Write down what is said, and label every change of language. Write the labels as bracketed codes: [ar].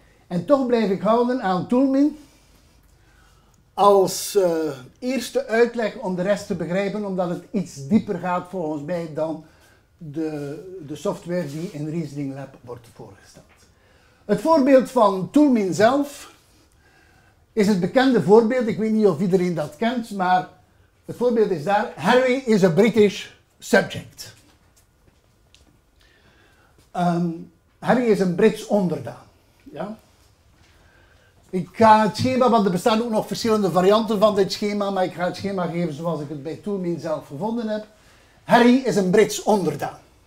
[nl] En toch blijf ik houden aan Toulmin als eerste uitleg om de rest te begrijpen, omdat het iets dieper gaat volgens mij dan de software die in Reasoning Lab wordt voorgesteld. Het voorbeeld van Toulmin zelf is het bekende voorbeeld. Ik weet niet of iedereen dat kent, maar het voorbeeld is daar. [en] Harry is a British subject. [nl] Harry is een Brits onderdaan. Ja? Ik ga het schema, want er bestaan ook nog verschillende varianten van dit schema, maar ik ga het schema geven zoals ik het bij Toulmin zelf gevonden heb. Harry is een Brits onderdaan.